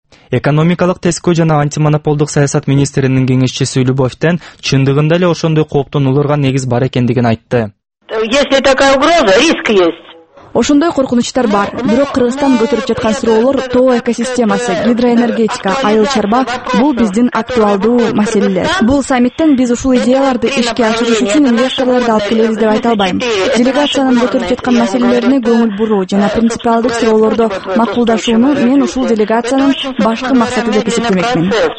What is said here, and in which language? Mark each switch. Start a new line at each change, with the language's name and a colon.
Kyrgyz: Экономикалык тескөө жана антимонополдук саясат министринин кеңешчиси Любовтен чындыгында эле ошондой кооптун уларга негиз бар экендигин айтты.
Russian: Если такая угроза, риск есть.
Kyrgyz: Ошондой коркунучтар бар, бирок Кыргызстан көтөрүп жаткан суроолор тоо экосистемасы, гидроэнергетика, айыл чарба бул биздин актуалдуу маселелер. Бул саммиттен биз ушул идеяларды ишке ашыруу үчүн инвесторлорду алып келебиз деп айта албайм. Делегациянын көтөрүп жаткан маселелерине көңүл буруу жана принципиалдык суроолордо макулдашууну мен ушул делегациянын башкы максаты деп эсептемекмин.